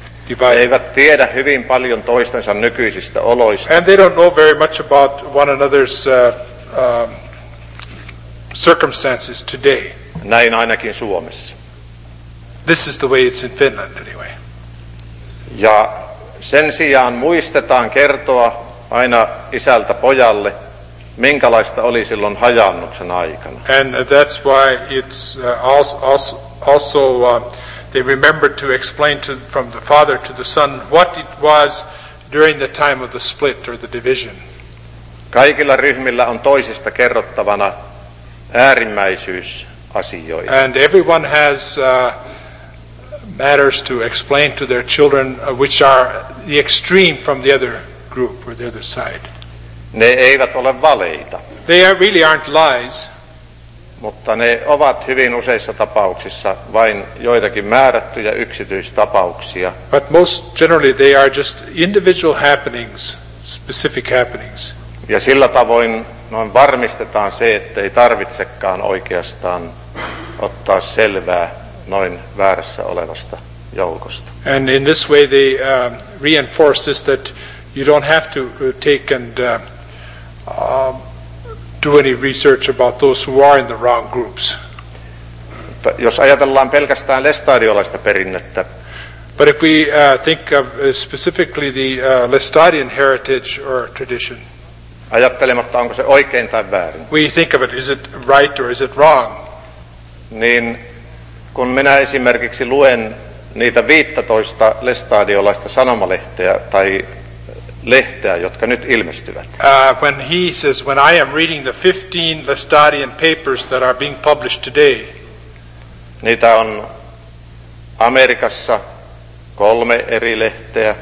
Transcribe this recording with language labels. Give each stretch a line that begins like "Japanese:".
Finnish: He eivät tiedä hyvin paljon toistensa nykyisistä oloista.
English: And they don't know very much about one another's circumstances today.
Finnish: Näin ainakin Suomessa.
English: This is the way it's in Finland anyway.
Finnish: Ja sen sijaan muistetaan kertoa aina isältä pojalle, minkälaista oli silloin hajannuksen aikana.
English: And that's why it's also they remembered to explain to from the Father to the Son what it was during the time of the split or the division.
Finnish: Kaikilla ryhmillä on toisista kerrottavana äärimmäisyysasioita.
English: And everyone has matters to explain to their children which are the extreme from the other group or the other side.
Finnish: Ne eivät ole valeita.
English: They are, really aren't lies.
Finnish: Mutta ne ovat hyvin useissa tapauksissa vain joitakin määrättyjä yksityistapauksia.
English: But most generally they are just individual happenings, specific happenings.
Finnish: Ja sillä tavoin noin varmistetaan se, että ei tarvitsekaan oikeastaan ottaa selvää noin väärässä olevasta joukosta.
English: And in this way they reinforce this that you don't have to take and do any research about those who are in the wrong groups.
Finnish: But jos ajatellaan pelkästään lestadiolaista perinnettä.
English: But if we think of specifically the Lestadian heritage or tradition.
Finnish: Ajattelematta onko se oikein tai väärin.
English: We think of it, is it right or is it wrong?
Finnish: Niin kun minä esimerkiksi luen niitä 15 lestadiolaista sanomalehteä tai lehteä, jotka nyt ilmestyvät.
English: When he says, when I am reading the 15 Lestadian papers that are being published today.
Finnish: Niitä on Amerikassa 3 eri lehteä.